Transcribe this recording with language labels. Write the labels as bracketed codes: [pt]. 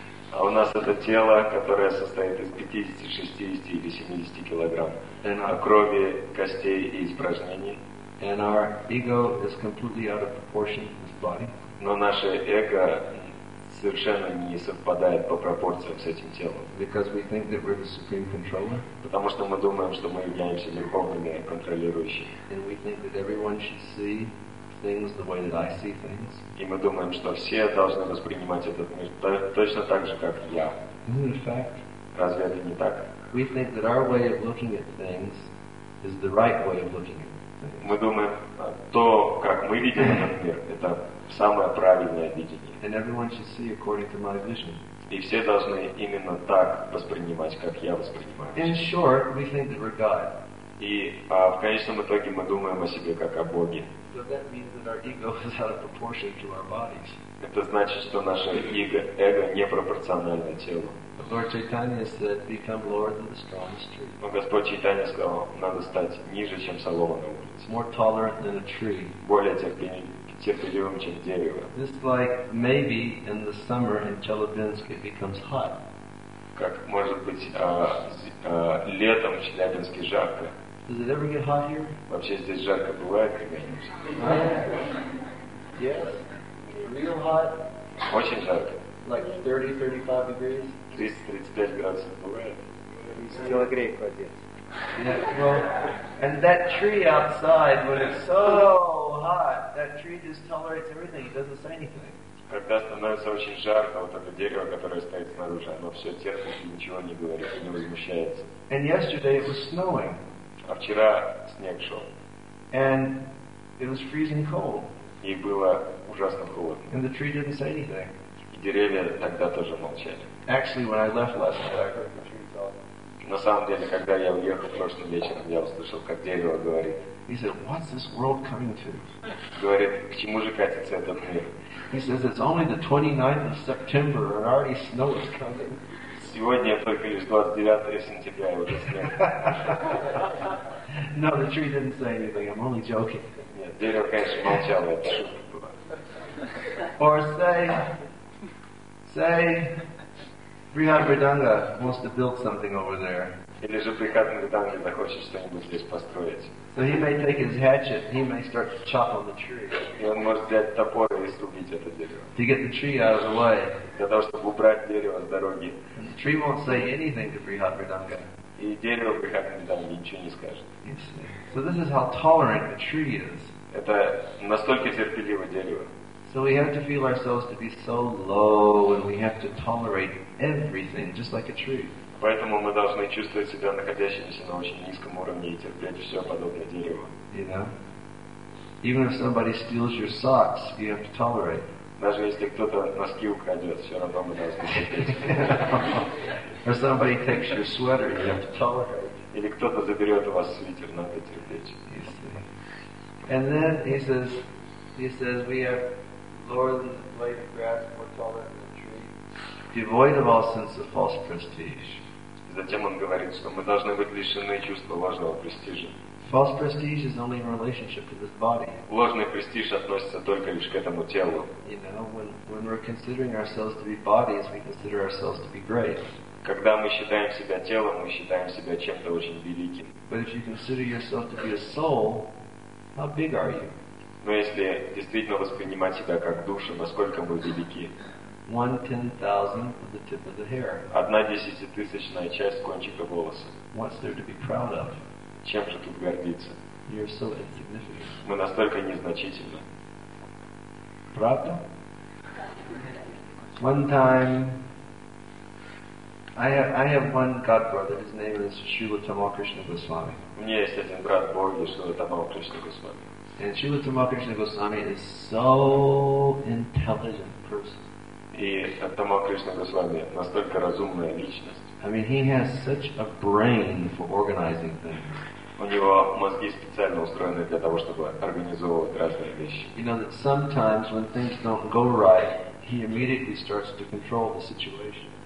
[ru] А у нас это тело, которое состоит из 50, 60 или 70 килограмм. [en] And our, [ru] крови, костей и испражнений. [en] And our ego is completely out of proportion with this body. [ru] Но наше эго совершенно не совпадает по пропорциям с этим телом. [en] Because we think that we're the supreme controller. [ru] Потому что мы думаем, что мы являемся верховными контролирующими. [en] And we think that everyone should see things the way that I see things. [ru] И мы думаем, что все должны воспринимать этот мир точно так же, как я. [en] In fact, [ru] разве это не так? [en] We think that our way of looking at things is the right way of looking at things. [ru] Мы думаем, то, как мы видим этот мир, это самое правильное видение. [en] And everyone should see according to my vision. [ru] И все должны именно так воспринимать, как я воспринимаю. [en] In short, we think that we're God. [ru] И в конечном итоге мы думаем о себе как о Боге. [en] So that means that our ego is out of proportion to our bodies. [ru] Это значит, что наше эго непропорционально телу. [en] Lord Chaitanya said, "Become lower than the strongest tree." [ru] Но Господь Чайтанья сказал, надо стать ниже, чем солома на улице. [en] More tolerant than a tree. [ru] Более терпеливым, чем дерево. [en] This like maybe in the summer in Chelyabinsk it becomes hot. [ru] Как может быть летом в Челябинске жарко? [en] Does it ever get hot here? [ru] Вообще здесь жарко бывает когда-нибудь? [en] Yes. Real hot. [ru] Очень жарко. [en] Like 30-35 degrees. [ru] 30-35 градусов бывает. Сделай грейпфрут один. [en] Yeah, well, and that tree outside, when it's so hot, that tree just tolerates everything. It doesn't say anything. [ru] Когда становится очень жарко, вот это дерево, которое стоит снаружи, оно все терпит и ничего не говорит, не возмущается. [en] And yesterday it was snowing. [ru] А вчера снег шел. [en] And it was freezing cold. [ru] И было ужасно холодно. [en] And the tree didn't say anything. [ru] И деревья тогда тоже молчали. [en] Actually, when I left last night, I heard the tree talking. [ru] На самом деле, когда я уехал прошлым вечером, я услышал, как дерево говорит. [en] He said, "What's this world coming to?" [ru] Говорит, к чему же катится этот мир? [en] He says, "It's only the 29th of September, and already snow is coming." [ru] Сегодня только лишь 29 сентября, и уже снег. [en] No, the tree didn't say anything. I'm only joking. [ru] Нет, дерево, конечно, молчало. Это шутка была. [en] Or say, Brihadmridanga wants to build something over there. [ru] Или же Брихадмриданга захочет что-нибудь здесь построить. [en] So he may take his hatchet, he may start to chop on the tree. [ru] И он может взять топор и срубить это дерево. [en] To get the tree out of the way. [ru] Для того, чтобы убрать дерево с дороги. [en] And the tree won't say anything to Brihadmridanga. [ru] И дерево Брихадмриданге ничего не скажет. [en] So this is how tolerant a tree is. [ru] Это настолько терпеливо дерево. [en] So we have to feel ourselves to be so low, and we have to tolerate everything, just like a tree. [ru] Поэтому мы должны чувствовать себя находящимися на очень низком уровне и терпеть все подобное дереву. [en] You know? Even if somebody steals your socks, you have to tolerate. [ru] Даже если кто-то носки украдет, все равно мы должны терпеть. [en] Or somebody takes your sweater, you have to tolerate. [ru] Или кто-то заберет у вас свитер, надо терпеть. [en] You see. And then he says, we have lower than the blade of grass, more tolerant than the tree. Devoid of all sense of false prestige. [ru] Затем он говорит, что мы должны быть лишены чувства ложного престижа. [en] False prestige is only in relationship to this body. [ru] Ложный престиж относится только лишь к этому телу. [en] You know, when we're considering ourselves to be bodies, we consider ourselves to be great. [ru] Когда мы считаем себя телом, мы считаем себя чем-то очень великим. [en] But if you consider yourself to be a soul, how big are you? [ru] Но если действительно воспринимать себя как душу, насколько мы велики? [en] 1/10,000 of the tip of the hair. [ru] 1/10,000 часть кончика волоса. [en] What's there to be proud of? [ru] Чем же тут гордиться? [en] You're so insignificant. [ru] Мы настолько незначительны. Правда? [en] One time, I have one god brother. His name is Srila Tamalkrishna Goswami. [ru] У меня есть один брат Боги, Шрила Тамалкришна Госвами. [en] And Srila Tamalkrishna Goswami is so intelligent person. [ru] И Тамалкришна Госвами настолько разумная личность. [en] I mean, he has such a brain for organizing things. [ru] У него мозги специально устроены для того, чтобы организовывать разные вещи. [en] You know that sometimes when things don't go right, he immediately starts to control the situation.